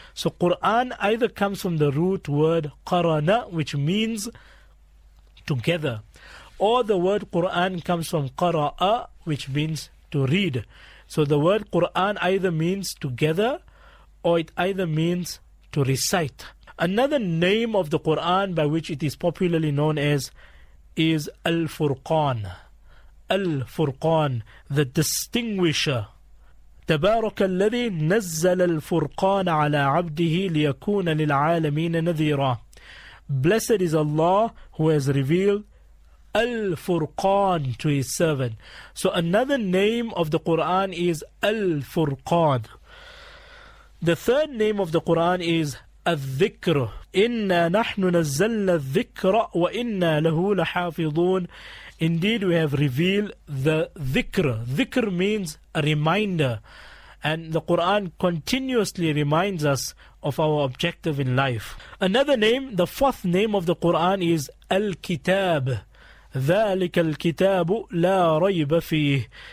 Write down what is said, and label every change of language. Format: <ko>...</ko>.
<en>So Quran either comes from the root word qarana, which means together, or the word Quran comes from qara'a, which means to read. So the word Quran either means together, or it either means to recite. Another name of the Quran by which it is popularly known as is Al-Furqan. Al-Furqan, the distinguisher.</en> <ar>تبارك الذي نزل الفرقان على عبده ليكون للعالمين نذيرا.</ar> <en>Blessed is Allah who has revealed Al-Furqan to his servant. So another name of the Quran is Al-Furqan. The third name of the Quran is الذكر.</en> <ar>إنا نحن نزلنا الذكر وإنا له لحافظون.</ar> <en>Indeed, we have revealed the dhikr. Dhikr means a reminder. And the Quran continuously reminds us of our objective in life. Another name, the fourth name of the Quran is Al-Kitab.</en> <ar>ذَلِكَ الْكِتَابُ لَا رَيْبَ فِيهِ.</ar>